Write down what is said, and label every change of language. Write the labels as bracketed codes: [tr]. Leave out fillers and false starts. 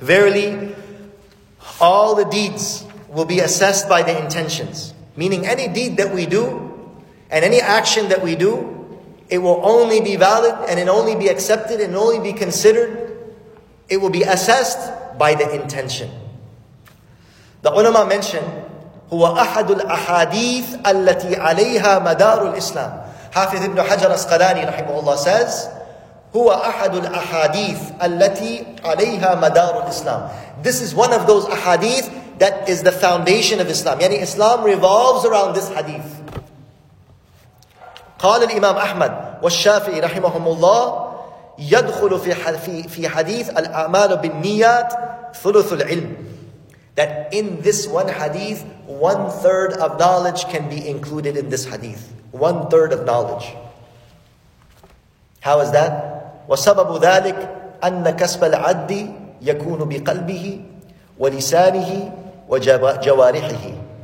[en] Verily, all the deeds will be assessed by the intentions. Meaning any deed that we do, and any action that we do, it will only be valid, and it only be accepted, and only be considered, it will be assessed by the intention. The ulama mentioned, [ar] هو أحد الأحاديث التي عليها مدار الإسلام. Hafiz ibn Hajar Asqalani رحمه الله says, هو أحد الأحاديث التي عليها مدار الإسلام. [en] This is one of those ahadith that is the foundation of Islam. Yani Islam revolves around this hadith. [ar] قال الإمام أحمد والشافعي رحمهم الله يدخل في حديث الأعمال بالنيات ثلث العلم. [en] That in this one hadith, one third of knowledge can be included in this hadith. One third of knowledge. How is that? [ar] وسبب ذلك أن كسب العدي يكون بقلبه ولسانه وجوارحه.